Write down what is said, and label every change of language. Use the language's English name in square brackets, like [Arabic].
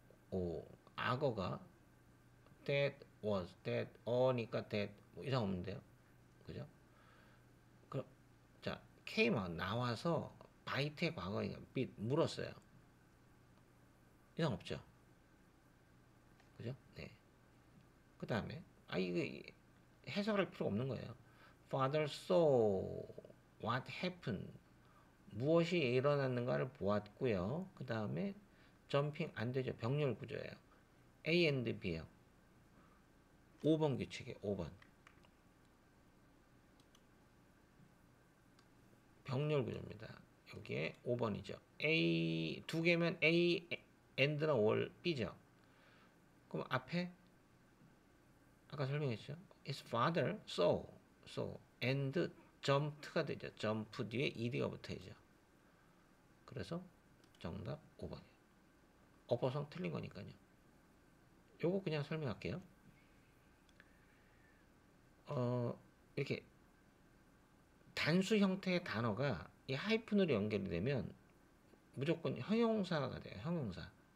[Korean] 오, 악어가 that was, that, 어니까 that, 뭐 이상 없는데요. 그죠? 자, came 나와서 byte의 과거인 bit 물었어요. 이상 없죠? 그죠? 네. 그 다음에, 아, 이거 해석할 필요 없는 거예요. [English] Father saw what happened. [Korean] 무엇이 일어났는가를 보았고요. 그 다음에, jumping 안 되죠. 병렬 구조예요. A and B예요. 5번 규칙이에요. 5번. 병렬 구조입니다. 여기에 5번이죠. A, 두 개면 A, and나 or, b죠. 그럼 앞에 아까 설명했죠. [English] his father saw and jumped [Korean] 가 되죠. jump 뒤에 ed가 붙어야죠. 그래서 정답 5번이에요. 어퍼성 틀린 거니까요. 요거 그냥 설명할게요. 이렇게 단수 형태의 단어가 이 하이픈으로 연결이 되면 무조건 형용사가 돼요. 형용사.